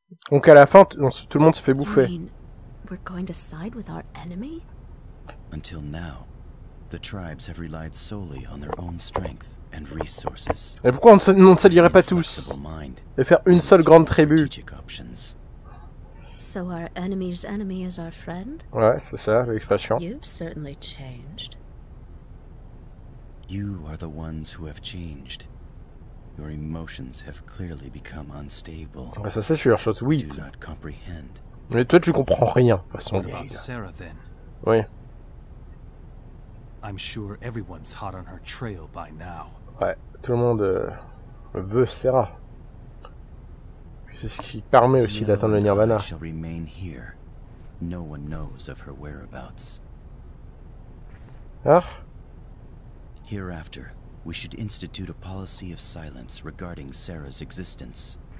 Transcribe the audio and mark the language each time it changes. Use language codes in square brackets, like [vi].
[fr] Donc à la fin, tout le monde se fait bouffer. [en] We're going to side with our enemy? Until now, the tribes have relied solely on their own strength and resources. [fr] Et pourquoi on ne s'allierait pas tous et faire une seule grande tribu? [en] So our enemy's enemy is our friend? [fr] Ouais, c'est ça l'expression. [en] You've certainly changed. You are the ones who have changed. Your emotions have clearly become unstable. [fr] Ah, ça c'est sûr, chose oui. Mais toi tu comprends rien, de façon. [en] What about Sarah then? [fr] Oui. [en] I'm sure everyone's hot on her trail by now. [fr] Ouais, tout le monde veut Sarah. C'est ce qui permet aussi d'atteindre le Nirvana. [en] She'll remain here. No one knows of her whereabouts. Ah. Hereafter, we should institute a policy of silence regarding Sarah's existence.